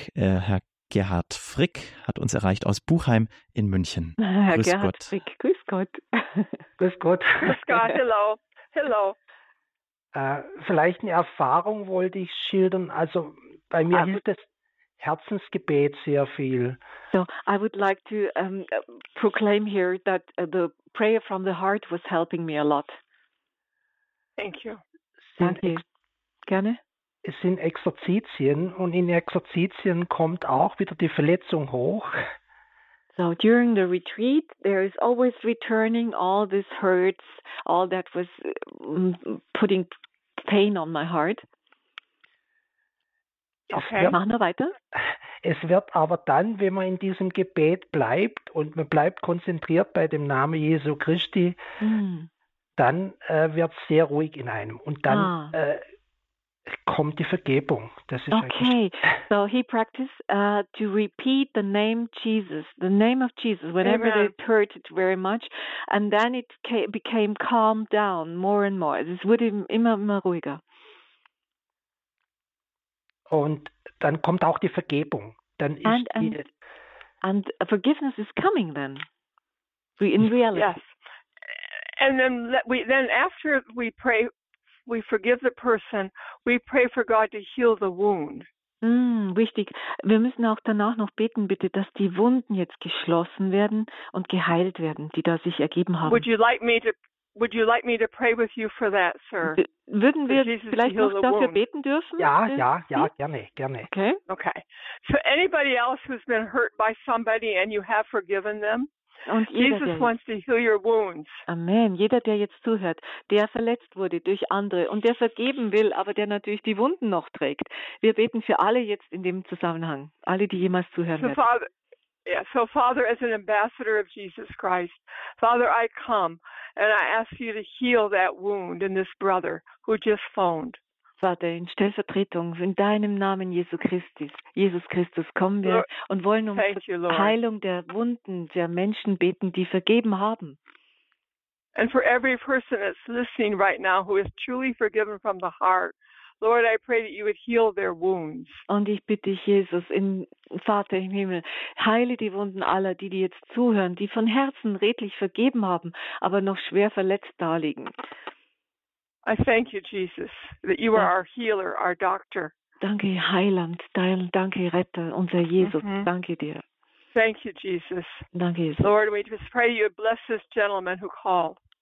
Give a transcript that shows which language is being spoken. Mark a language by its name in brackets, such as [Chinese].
[German] Herr Gerhard Frick hat uns erreicht aus Buchheim in München. Herr grüß Gerhard Gott. Frick, grüß Gott. Grüß Gott. Grüß Gott, [English] hello. Hello. [German] Vielleicht eine Erfahrung wollte ich schildern. Also, bei mir hilft das Herzensgebet sehr viel. [English] So, I would like to proclaim here that the prayer from the heart was helping me a lot. Thank you. [German] Gerne. Es sind Exerzitien und in Exerzitien kommt auch wieder die Verletzung hoch. [English] So, during the retreat, there is always returning all these hurts, all that was putting pain on my heart. Okay, [German] machen wir weiter. Es wird aber dann, wenn man in diesem Gebet bleibt und man bleibt konzentriert bei dem Namen Jesu Christi, dann wird es sehr ruhig in einem. Und dann kommt die Vergebung. Das ist [English] okay, so he practiced to repeat the name Jesus, the name of Jesus, whenever they hurt it very much. And then it became calmed down more and more. [German] Es wurde immer ruhiger. Und dann kommt auch die Vergebung. Dann ist [English] and forgiveness is coming then. In reality. Yes. And then after we pray, we forgive the person, we pray for God to heal the wound. [German] Wichtig. Wir müssen auch danach noch beten, bitte, dass die Wunden jetzt geschlossen werden und geheilt werden, die da sich ergeben haben. [English] Would you like me to pray with you for that, sir? [German] Würden wir vielleicht noch dafür beten dürfen? Ja, gerne. [English] Okay. So anybody else who's been hurt by somebody and you have forgiven them? [German] Und [English] Jesus wants to heal your wounds. Amen. [German] Jeder, der jetzt zuhört, der verletzt wurde durch andere und der vergeben will, aber der natürlich die Wunden noch trägt. Wir beten für alle jetzt in dem Zusammenhang. Alle, die jemals zuhören werden. [English] So Father, as an ambassador of Jesus Christ, Father, I come and I ask you to heal that wound in this brother who just phoned. [German] Vater, in Stellvertretung, in deinem Namen Jesus Christus, kommen wir und wollen um Heilung der Wunden der Menschen beten, die vergeben haben. [English] And for every person that's listening right now who is truly forgiven from the heart, Lord, I pray that you would heal their wounds. [German] Und ich bitte dich, Jesus, Vater im Himmel, heile die Wunden aller, die jetzt zuhören, die von Herzen redlich vergeben haben, aber noch schwer verletzt daliegen. [English] I thank you, Jesus, that you are our healer, our doctor. [German] Danke, Heiland, danke, Retter, unser Jesus, danke dir. [English] Thank you, Jesus. [German] Danke, Jesus. [English] Lord, we just pray you bless this gentleman who called.